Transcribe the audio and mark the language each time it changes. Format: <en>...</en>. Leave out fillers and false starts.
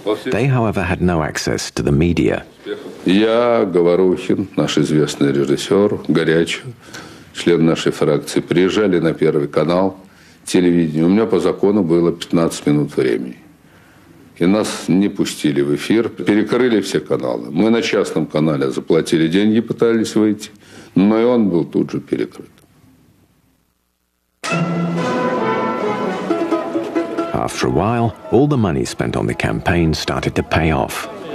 <en>They, however, had no access to the media.</en> <ru>Я, Говорухин, наш известный режиссер, Горячий, член нашей фракции, приезжали на Первый канал телевидения. У меня по закону было 15 минут времени. И нас не пустили в эфир, перекрыли все каналы. Мы на частном канале заплатили деньги, пытались выйти, но и он был тут же перекрыт.</ru> <en>After a while, all the money spent on the campaign started to pay off.</en>